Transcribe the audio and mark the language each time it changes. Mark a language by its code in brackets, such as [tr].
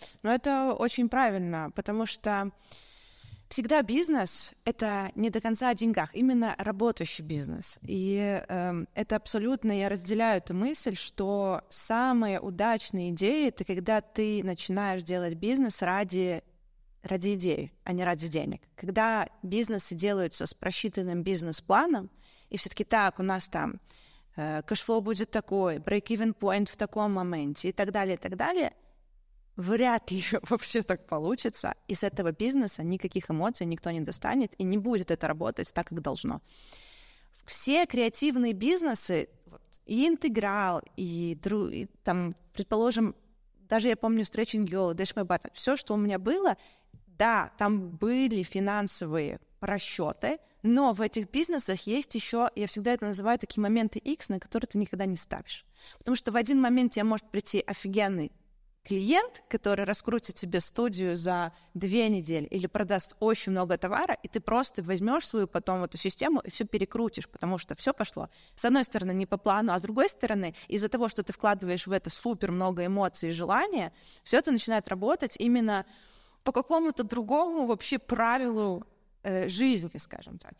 [uk] Ну, це дуже правильно, тому що завжди бізнес – це не до кінця [ru] о деньгах, [uk] іменно працюючий бізнес. І це абсолютно, я розділяю ту мисль, що самі удачні ідеї – це коли ти починаєш робити бізнес [ru] ради идеи, а не ради денег. Когда бизнесы делаются с просчитанным бизнес-планом, и все-таки так, у нас там кэшфлоу будет такой, break-even point в таком моменте и так далее, вряд ли вообще так получится. Из этого бизнеса никаких эмоций никто не достанет, и не будет это работать так, как должно. Все креативные бизнесы, вот, и интеграл, и там, предположим, даже я помню Stretching Girl, Dash My Button, все, что у меня было, да, там были финансовые расчеты, но в этих бизнесах есть еще, я всегда это называю, такие моменты X, на которые ты никогда не ставишь. Потому что в один момент тебе может прийти офигенный клиент, который раскрутит тебе студию за 2 недели или продаст очень много товара, и ты просто возьмешь свою потом эту систему и все перекрутишь, потому что все пошло, с одной стороны, не по плану, а с другой стороны, из-за того, что ты вкладываешь в это супер много эмоций и желания, все это начинает работать именно по какому-то другому вообще правилу жизни, скажем так.